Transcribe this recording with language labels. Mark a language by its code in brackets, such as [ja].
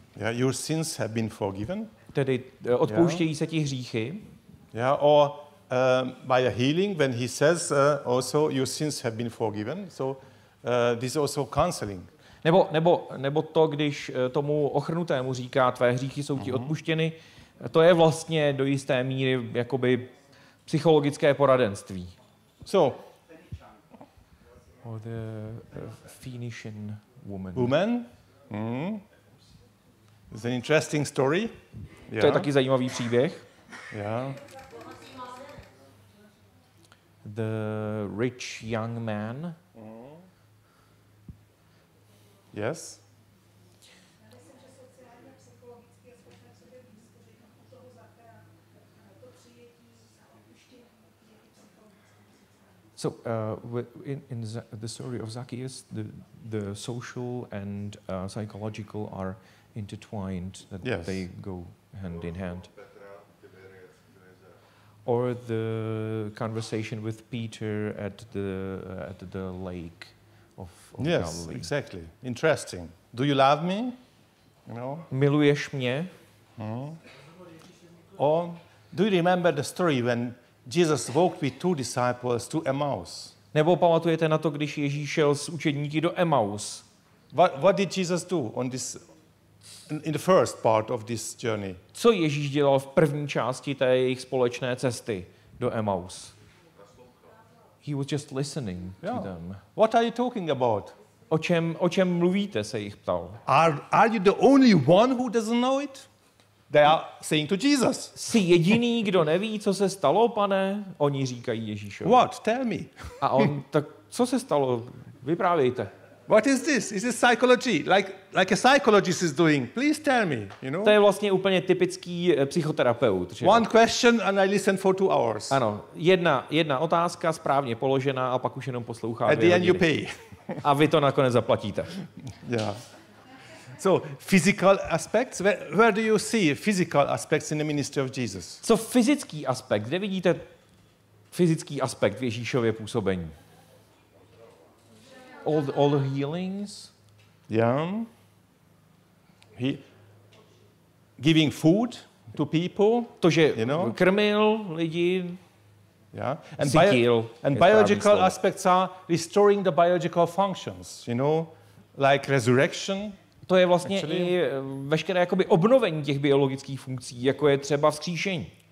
[en] Your sins have been forgiven. [cs] Tedy odpouštějí se ti hříchy. [en] Yeah, or by a healing when he says also your sins have been forgiven. So this is also counseling. [cs] Nebo to, když tomu ochrnutému říká tvé hříchy jsou ti odpuštěny, to je vlastně do jisté míry jakoby psychologické poradenství. [en] So. Or the Phoenician woman. Woman? Mm. It's an interesting story. [cs] To je taky zajímavý příběh. [en] Yeah. The rich young man. Yes. So in the story of Zacchaeus, the social and psychological are intertwined, that they go hand in hand. Or the conversation with Peter at the lake of yes, Galilee. Yes, exactly. Interesting. Do you love me? No. [cs] Miluješ mě? Hmm. [en] Or do you remember the story when Jesus walked with two disciples to Emmaus? [cs] Nebo pamatujete na to, když Ježíš šel s učedníky do Emmaus? [en] What did Jesus do on this in the first part of this journey? [cs] Co Ježíš dělal v první části té jejich společné cesty do Emmaus? [en] He was just listening to them. What are you talking about? [cs] O čem mluvíte, se jich ptal. [en] Are you the only one who doesn't know it? They are saying to Jesus. [cs] Jsi jediný, kdo neví, co se stalo, pane? Oni říkají Ježíšovi. [en] What? Tell me. [cs] A on, tak co se stalo? Vyprávějte. [en] What is this? Is this psychology? Like a psychologist is doing. Please tell me, you know? [cs] To je vlastně úplně typický psychoterapeut. Že? [en] One question and I listen for 2 hours. [cs] Ano, jedna otázka správně položená a pak už jenom poslouchá. [en] At the end you pay. [cs] A vy to nakonec zaplatíte. [en] Yeah. So physical aspects. Where do you see physical aspects in the ministry of Jesus? [cs] Co fyzický aspekt? Kde vidíte fyzický aspekt v Ježíšově působení? [en] All the healings. Yeah. He giving food. to people, [cs] to, že [en] you know? [cs] Krmil lidi, [en] yeah. And cítil. And biological aspects are restoring the biological functions, you know, like resurrection. [cs] To je vlastně actually i veškeré jakoby obnovení těch biologických funkcí, jako je třeba vzkříšení.